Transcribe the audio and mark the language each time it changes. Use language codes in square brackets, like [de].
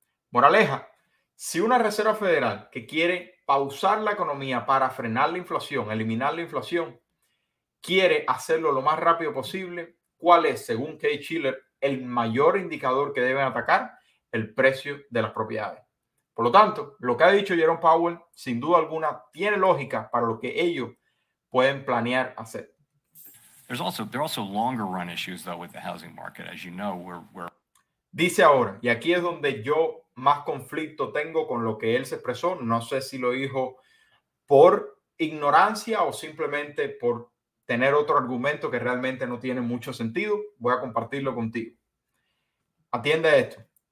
[es] Moraleja, si una Reserva Federal que quiere pausar la economía para frenar la inflación, eliminar la inflación, quiere hacerlo lo más rápido posible, ¿cuál es, según Kay Schiller, el mayor indicador que deben atacar? El precio de las propiedades. Por lo tanto, lo que ha dicho Jerome Powell, sin duda alguna, tiene lógica para lo que ellos pueden planear hacer. [en] There are also longer run issues, though, with the housing market. As you know, we're... [es] Dice ahora, y aquí es donde yo más conflicto tengo con lo que él se expresó. No sé si lo dijo por ignorancia o simplemente por tener otro argumento que realmente no tiene mucho sentido. Voy a compartirlo contigo. Atiende esto.